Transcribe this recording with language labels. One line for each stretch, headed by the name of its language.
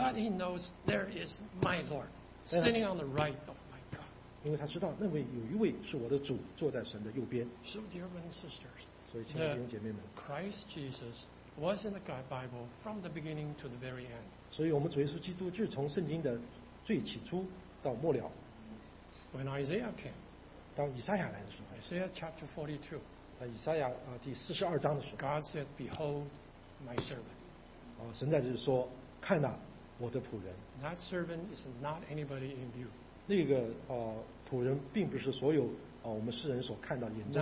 English: But he knows there is my Lord sitting on the right of my God.
Chinese: 因为他知道那位有一位是我的主坐在神的右边。
English: So dear brothers and sisters,
Chinese: 所以亲爱的弟兄姐妹们
English: ，Christ Jesus was in the Bible from the beginning to the very end.
Chinese: 所以我们主耶稣基督就是从圣经的最起初到末了。
English: When Isaiah came,
Chinese: 当以赛亚来的时候
English: ，Isaiah chapter 42.
Chinese: 以赛亚第四十二章的时候
English: ，God said, "Behold, my servant."
Chinese: 神在这里说，看哪，我的仆人。
English: That servant is not anybody in view.
Chinese: 那个仆人并不是所有我们世人所看到眼中的。